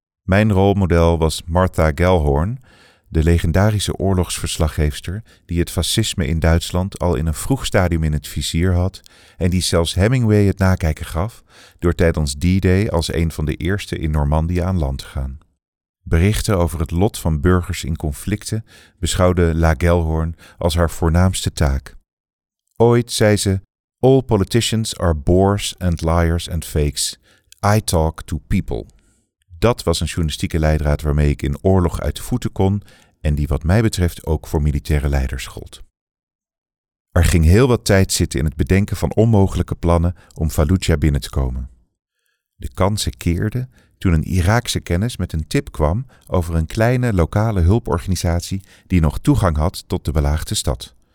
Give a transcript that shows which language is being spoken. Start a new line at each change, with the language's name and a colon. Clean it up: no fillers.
Dutch: Mijn rolmodel was Martha Gellhorn, de legendarische oorlogsverslaggeefster die het fascisme in Duitsland al in een vroeg stadium in het vizier had en die zelfs Hemingway het nakijken gaf door tijdens D-Day als een van de eerste in Normandië aan land te gaan. Berichten over het lot van burgers in conflicten beschouwde La Gellhorn als haar voornaamste taak. Ooit zei ze,
English: "All politicians are bores and liars and fakes. I talk to people."
Dutch: Dat was een journalistieke leidraad waarmee ik in oorlog uit de voeten kon en die wat mij betreft ook voor militaire leiders gold. Er ging heel wat tijd zitten in het bedenken van onmogelijke plannen om Fallujah binnen te komen. De kansen keerden toen een Iraakse kennis met een tip kwam over een kleine lokale hulporganisatie die nog toegang had tot de belaagde stad.